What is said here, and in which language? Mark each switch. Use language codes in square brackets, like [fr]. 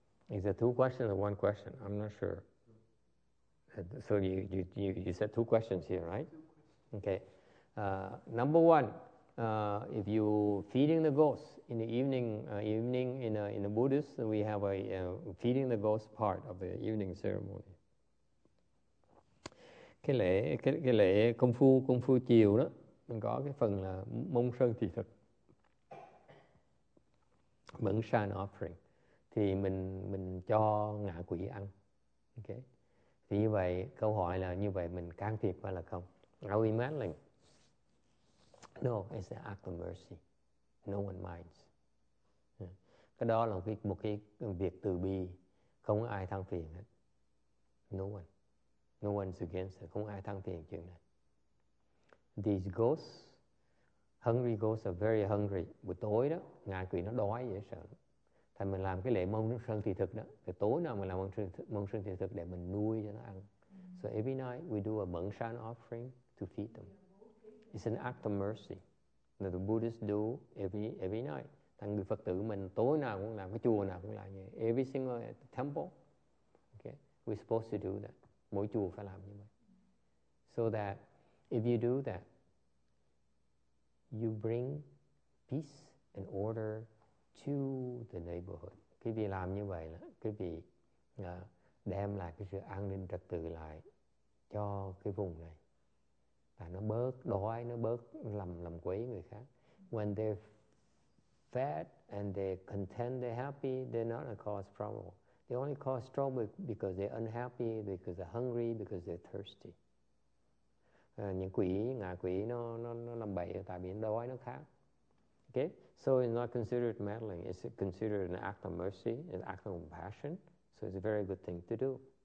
[en] Is it two questions or one question? I'm not sure. So you said two questions here, right? Two questions. Okay. Number one, if you feeding the ghost in the evening, in the Buddhist, we have a feeding the ghost part of the evening ceremony. [vi] Cái lễ công phu chiều đó, mình có cái phần là mông sơn thị thực, mẫn san offering, thì mình cho ngạ quỷ ăn. Ok, thì như vậy câu hỏi là như vậy mình can thiệp hay là không? [en] Are we meddling? No, it's an act of mercy. No one minds. Yeah. [vi] Cái đó là một cái việc từ bi, không ai than phiền hết. [en] No one. No one's against it. [vi] Không ai than phiền chuyện này. [en] These ghosts, hungry ghosts are very hungry. [vi] Buổi tối đó, ngạ quỷ nó đói dễ sợ. Thì mình làm cái lễ mông sơn thị thực đó. Thì tối nào mình làm mông sơn thị thực để mình nuôi cho nó ăn. [en] So every night we do a mẫn san offering to feed them. It's an act of mercy that the Buddhists do every night. [vi] Thành người Phật tử mình tối nào cũng làm, cái chùa nào cũng làm như vậy. [en] Every single temple, okay, we're supposed to do that. [vi] Mỗi chùa phải làm như vậy. [en] So that if you do that, you bring peace and order to the neighborhood. [vi] Cái vị làm như vậy là cái vị đem lại cái sự an ninh trật tự lại cho cái vùng này. À, nó bớt đói, nó bớt lầm quấy người khác. [en] When they're fed and they're content, they're happy, they're not going to cause trouble. They only cause trouble because they're unhappy, because they're hungry, because they're thirsty. [vi] Những quỷ, ngạ quỷ nó làm bậy tại vì nó đói, nó khát. [en] Okay? So it's not considered meddling. It's considered an act of mercy, an act of compassion. So it's a very good thing to do.